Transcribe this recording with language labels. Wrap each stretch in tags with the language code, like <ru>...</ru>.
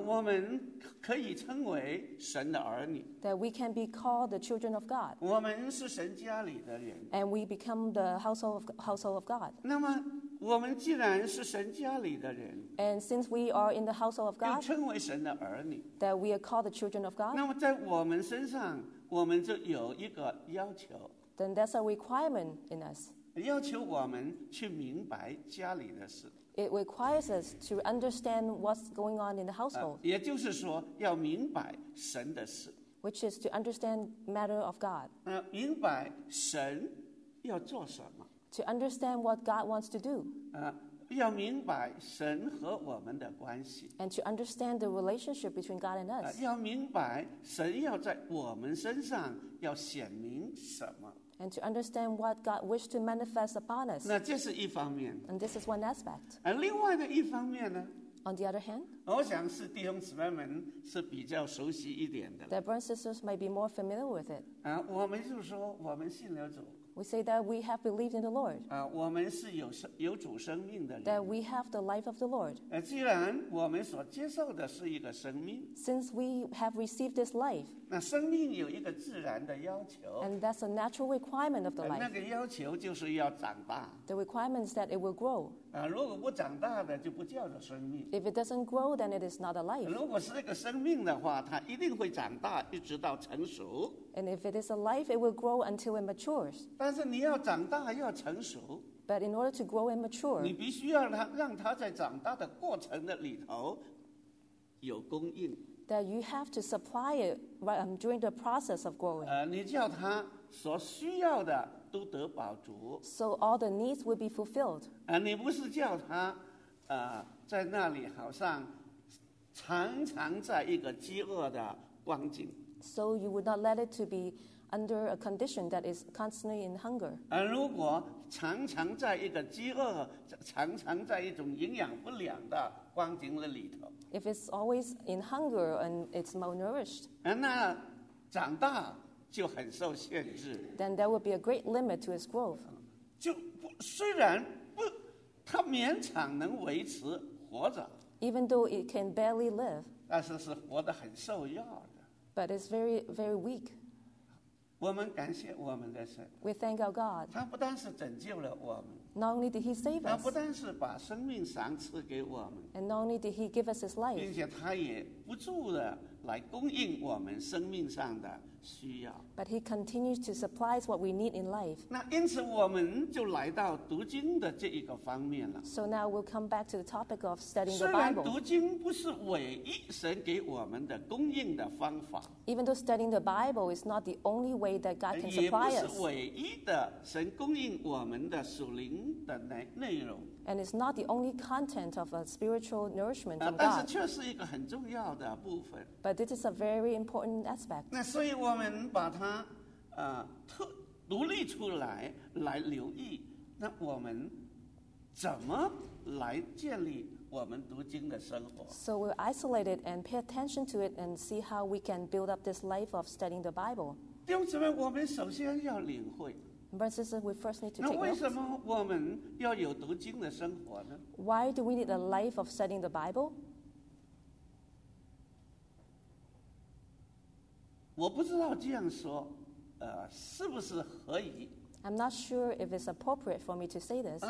<zh>我们可以称为神的儿女。</zh> <en>That we can be called the children of God.</en> <zh>我们是神家里的人。</zh> <en>And we become the household of God.</en> <zh>那么我们既然是神家里的人。</zh> <en>And since we are in the household of God.</en> <zh>又称为神的儿女。</zh> <en>That we are called the children of God.</en> <zh>那么在我们身上我们就有一个要求。</zh> <en>Then that's a requirement in us.</en> <zh>要求我们去明白家里的事。</zh> <en>It requires us to understand what's going on in the household.</en> <zh>也就是说，要明白神的事。</zh> <en>Which is to understand matter of God.</en> <zh>明白神要做什么。</zh> <en>to understand what God wants to do.</en> <zh>要明白神和我们的关系。</zh> <en>And to understand the relationship between God and us.</en> <zh>要明白神要在我们身上要显明什么。</zh> <en>And to understand what God wished to manifest upon us.</en> <zh>那这是一方面。</zh> <en>And this is one aspect.</en> <zh>另外的一方面呢？</zh> <en>On the other hand,</en> <zh>我想是弟兄姊妹们是比较熟悉一点的。</zh> <en>That brothers and sisters may be more familiar with it.</en> <zh>我们就说我们信了主。</zh> <en>We say that we have believed in the Lord.</en> <zh>我们是有主生命的人。</zh> <en>That we have the life of the Lord.</en> <zh>既然我们所接受的是一个生命。</zh> <en>Since we have received this life.</en> <zh>那生命有一个自然的要求。</zh> <en>And that's a natural requirement of the life.</en> <zh>那个要求就是要长大。</zh> <en>The requirement is that it will grow.</en> <zh>如果不长大的就不叫做生命。</zh> <en>If it doesn't grow, then it is not a life.</en> <zh>如果是一个生命的话，它一定会长大，一直到成熟。</zh> <en>And if it is a life, it will grow until it matures.</en> <zh>但是你要长大，要成熟。</zh> <en>But in order to grow and mature,</en> <zh>你必须要让它在长大的过程的里头有供应。</zh> <en>That you have to supply it during the process of growing.</en> <zh>你叫它所需要的都得饱足。</zh> <en>So all the needs will be fulfilled.</en> <zh>你不是叫它在那里好像常常在一个饥饿的光景。</zh> <en>So you would not let it to be under a condition that is constantly in hunger.</en> <zh>如果常常在一个饥饿，常常在一种营养不良的光景里头。</zh> <en>If it's always in hunger and it's malnourished.</en> <zh>那长大就很受限制。</zh> <en>Then there would be a great limit to its growth.</en> <zh>就不虽然不，它勉强能维持活着。</zh> <en>Even though it can barely live.</en> <zh>但是活得很受用。</zh> <en>But it's very, very weak.</en> <zh>我们感谢我们的神。</zh> <en>We thank our God.</en> <zh>他不但是拯救了我们。</zh> <en>Not only did He save us.</en> <zh>他不但是把生命赏赐给我们。</zh> <en>And not only did He give us His life.</en> <zh>并且他也不住的来供应我们生命上的需要。</zh> <en>But He continues to supply what we need in life.</en> <zh>那因此我们就来到读经的这一个方面了。</zh> <en>So now we'll come back to the topic of studying the Bible.</en> <zh>虽然读经不是唯一神给我们的供应的方法。</zh> <en>Even though studying the Bible is not the only way that God can supply us.</en> <zh>也不是唯一的神供应我们的属灵的内容。</zh> <en>And it's not the only content of a spiritual nourishment from God.</en> <zh>但是却是一个很重要的部分。</zh> <en>But this is a very important aspect.</en> <zh>那所以我们把它独立出来来留意，那我们怎么来建立我们读经的生活？</zh> <en>So we'll isolate it and pay attention to it and see how we can build up this life of studying the Bible.</en> <zh>弟兄姊妹，我们首先要领会。</zh> <en>We first need to take</en> <zh>那为什么我们要有读经的生活呢？</zh> <en>Why do we need a life of studying the Bible?</en> <zh>我不知道这样说是不是合宜。</zh> <en>I'm not sure if it's appropriate for me to say this.</en>